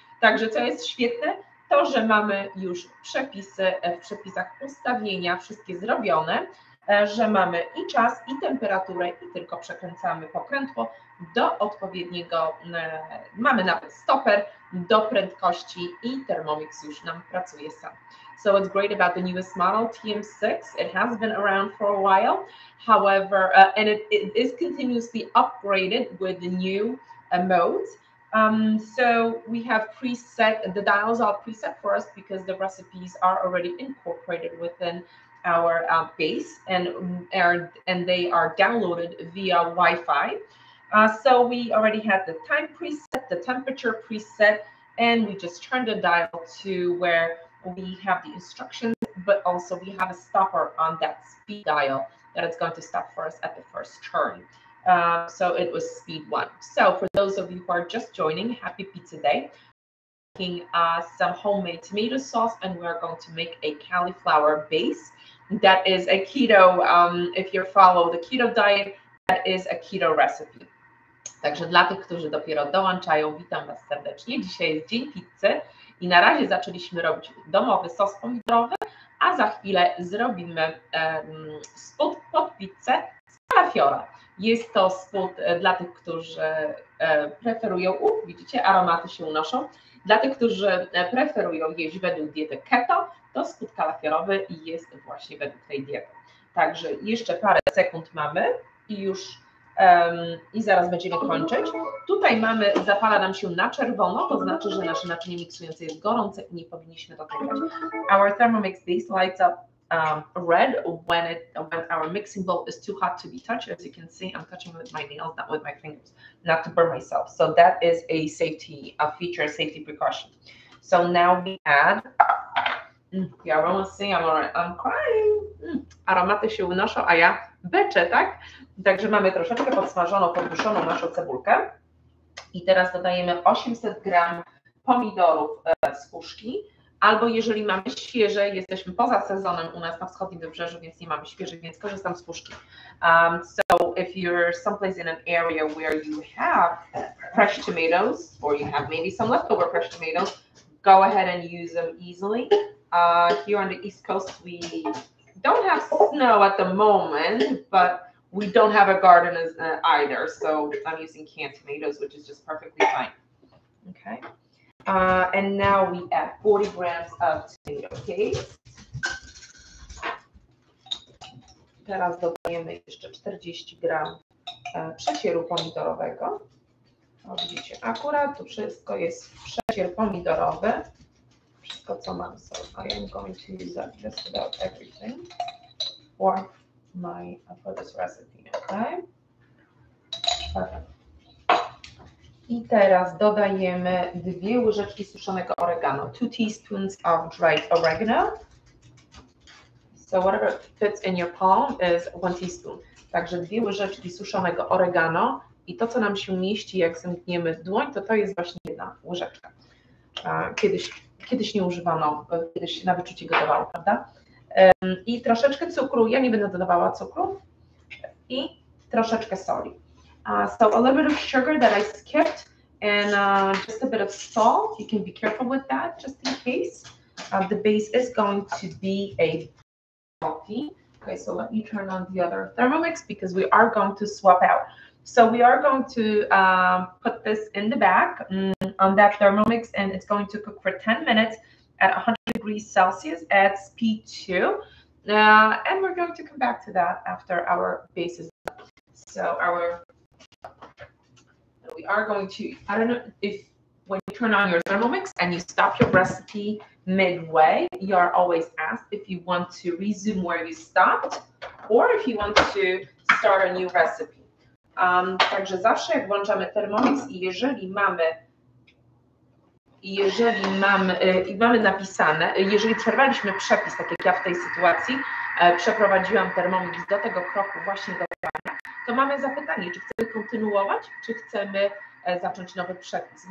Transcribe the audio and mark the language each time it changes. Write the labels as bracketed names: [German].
[Polish] Także co jest świetne, to że mamy już przepisy w przepisach ustawienia, wszystkie zrobione, że mamy I czas, I temperaturę, I tylko przekręcamy pokrętło do odpowiedniego, mamy nawet stoper do prędkości I Thermomix już nam pracuje sam. [English] So what's great about the newest model, TM6, it has been around for a while, however, and it is continuously upgraded with the new modes. So we have preset, the dials are preset for us because the recipes are already incorporated within our base and they are downloaded via Wi-Fi. So we already had the time preset, the temperature preset, and we just turned the dial to where we have the instructions, but also we have a stopper on that speed dial that is going to stop for us at the first turn. So it was speed 1. So for those of you who are just joining, happy pizza day. Making some homemade tomato sauce, and we're going to make a cauliflower base. That is a keto, if you follow the keto diet, that is a keto recipe. [Polish] Także dla tych, którzy dopiero dołączają, witam Was serdecznie. Dzisiaj jest dzień pizzy i na razie zaczęliśmy robić domowy sos pomidorowy, a za chwilę zrobimy spód pod pizzę z kalafiora. Jest to spód dla tych, którzy preferują, widzicie, aromaty się unoszą. Dla tych, którzy preferują jeść według diety keto, to spód kalafiorowy jest właśnie według tej diety. Także jeszcze parę sekund mamy i już i zaraz będziemy kończyć. Tutaj mamy, zapala nam się na czerwono, to znaczy, że nasze naczynie miksujące jest gorące i nie powinniśmy to dotykać. [English] Our Thermomix, this lights up red when our mixing bowl is too hot to be touched. As you can see, I'm touching with my nails, not with my fingers, not to burn myself. So that is a safety feature, safety precaution. So now we add, the aroma, see, I'm crying. [Polish] Aromaty się unoszą, a ja beczę, tak? Także mamy troszeczkę podsmażoną, podduszoną naszą cebulkę. I teraz dodajemy 800 gram pomidorów z puszki. Albo jeżeli mamy świeże, jesteśmy poza sezonem u nas na wschodnim wybrzeżu, więc nie mamy świeżych, więc korzystam z puszki. [English] So if you're someplace in an area where you have fresh tomatoes, or you have maybe some leftover fresh tomatoes, go ahead and use them easily. Here on the East Coast, we don't have snow at the moment, but we don't have a garden either, so I'm using canned tomatoes, which is just perfectly fine. Okay. And now we add 40 grams of tomato paste. [Polish] Teraz dodajemy jeszcze 40 gram przesieru pomidorowego. O, widzicie, akurat tu wszystko jest przesier pomidorowy. Wszystko, co mam, [English] so I am going to use that just about everything for my for this recipe, okay? [Polish] I teraz dodajemy dwie łyżeczki suszonego oregano. [English] 2 teaspoons of dried oregano. So whatever fits in your palm is 1 teaspoon. [Polish] Także dwie łyżeczki suszonego oregano i to, co nam się mieści, jak zamkniemy dłoń, to to jest właśnie jedna łyżeczka. Kiedyś nie używano, kiedyś się na wyczucie gotowało, prawda? I troszeczkę cukru, ja nie będę dodawała cukru i troszeczkę soli. [English] So a little bit of sugar that I skipped and just a bit of salt. You can be careful with that just in case. The base is going to be a coffee. Okay, so let me turn on the other Thermomix because we are going to swap out. So we are going to put this in the back on that Thermomix and it's going to cook for 10 minutes at 100 degrees Celsius at speed 2. And we're going to come back to that after our base is done. So our we are going to, I don't know if when you turn on your Thermomix and you stop your recipe midway, you are always asked if you want to resume where you stopped or if you want to start a new recipe. [Polish] Także zawsze jak włączamy Thermomix i jeżeli mamy napisane, jeżeli przerwaliśmy przepis, tak jak ja w tej sytuacji przeprowadziłam Thermomix do tego kroku właśnie do prania, to mamy zapytanie, czy chcemy kontynuować, czy chcemy zacząć nowy przepis.